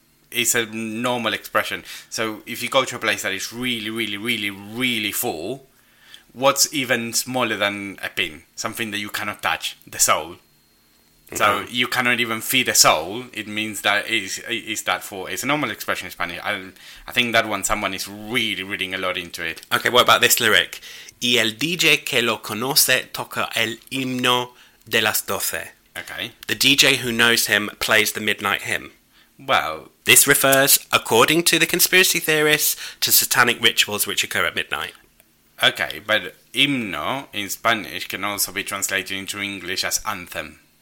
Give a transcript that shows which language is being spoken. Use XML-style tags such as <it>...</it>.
<en>It's a normal expression. So if you go to a place that is really, really, really, really full, what's even smaller than a pin, something that you cannot touch, the soul. So you cannot even feed a soul. It means that is that for... It's a normal expression in Spanish. I think that one, someone is really reading a lot into it. Okay, what about this lyric?</en> <es>Y el DJ que lo conoce toca el himno de las doce.</es> <en>Okay. The DJ who knows him plays the midnight hymn. Well... This refers, according to the conspiracy theorists, to satanic rituals which occur at midnight. Okay, but himno in Spanish can also be translated into English as anthem.</en>